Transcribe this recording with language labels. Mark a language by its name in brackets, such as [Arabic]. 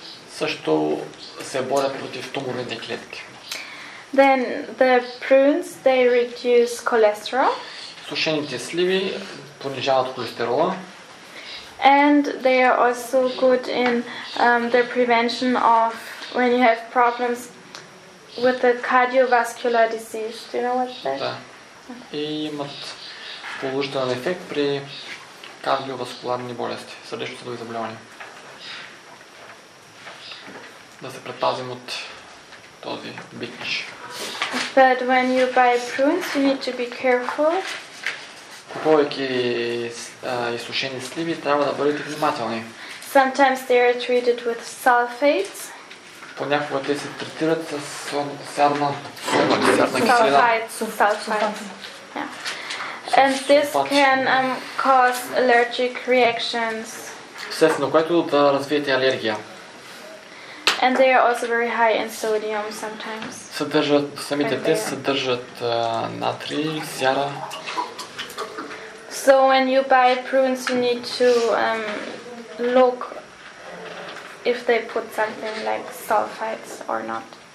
[Bulgarian] Също се борят против туморните клетки. [English] Then the prunes, they reduce cholesterol. [Bulgarian] Сушените сливи понижават холестерола. [English] And they are also good in the prevention of when you have problems with the cardiovascular disease. Do you know what that is? [Bulgarian] Да. И имат положителен ефект при кардиоваскуларни болести, сърдечно-съдови заболявания. Да се предпазим от този бич. [English] But when you buy prunes, you need to be careful. [Bulgarian] Купувайки изсушени сливи, трябва да бъдете внимателни. [English] Sometimes they are treated with sulfates. [Bulgarian] Понякога те се третират с сярна киселина. [English] Sulfites. And this can cause allergic reactions. [Bulgarian] Вследствие на което да развиете алергия. [English] And they are also very high in sodium sometimes. [Bulgarian] Самите те съдържат натрий, сяра. [English] So when you buy prunes, you need to look if they put something like sulfites or not.